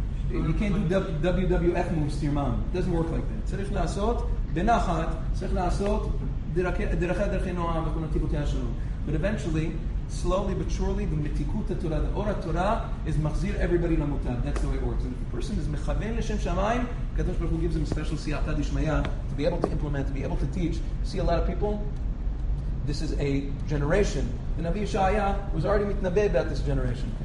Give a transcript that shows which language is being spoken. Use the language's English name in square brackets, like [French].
[English] You can't do WWF moves to your mom. It doesn't work like that. [Hebrew] צריך לעשות בנחת, צריך לעשות דרכי דרכי נועם וכונתיבותי השלום. [English] But eventually, slowly but surely, the [Hebrew] מתיקות התורה, [English] the [Hebrew] אור התורה, [English] is מחזיר everybody למותב. That's the way it works. And if a person is מכוון [Hebrew] לשם שמיים, [English] הקדוש ברוך הוא gives them a special [Hebrew] סייעתא דשמיא, [English] to be able to implement, to be able to teach. See a lot of people? This is a generation. The Nabi Yeshaya was already מתנבא about this generation.